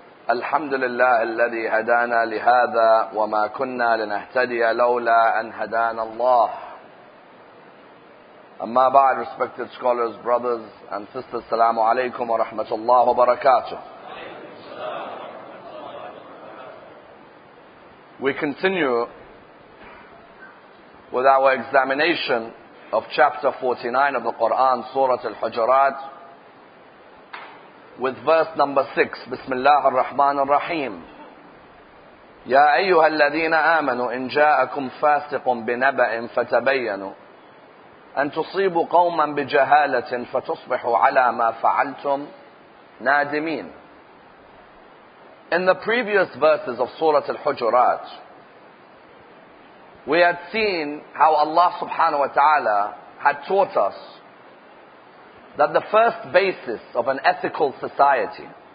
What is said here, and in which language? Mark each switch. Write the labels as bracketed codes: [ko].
[ar] الحمد لله الذي هدانا لهذا وما كنا لنهتدي لولا أن هدانا الله. أما بعد، [en] respected scholars, brothers and sisters, [ar] السلام عليكم ورحمة الله وبركاته. [en] We continue with our examination of chapter 49 of the Quran, Surah Al-Hujurat, with verse number 6. [ar] بسم الله الرحمن الرحيم. يا أيها الذين آمنوا إن جاءكم فاسق بنبأ فتبينوا أن تصيبوا قوما بجهالة فتصبحوا على ما فعلتم نادمين. [en] In the previous verses of Surah Al-Hujurat, we had seen how Allah subhanahu wa ta'ala had taught us that the first basis of an ethical society,